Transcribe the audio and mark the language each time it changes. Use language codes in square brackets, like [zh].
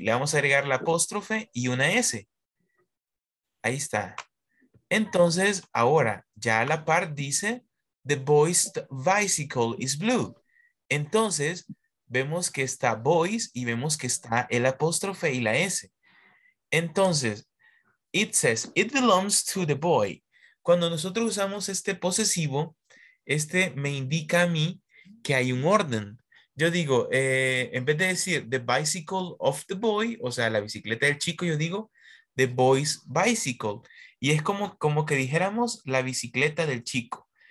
[es] Le vamos a agregar la apóstrofe y una S. Ahí está. Entonces, ahora, ya a la par dice [en] the boy's bicycle is blue. [es] Entonces, vemos que está boys y vemos que está el apóstrofe y la S. Entonces, [en] it says, it belongs to the boy. [es] Cuando nosotros usamos este posesivo, este me indica a mí que hay un orden. Yo digo, en vez de decir [en] the bicycle of the boy, [es] o sea, la bicicleta del chico, yo digo [en] the boy's bicycle. [es] Y es como que dijéramos la bicicleta del chico.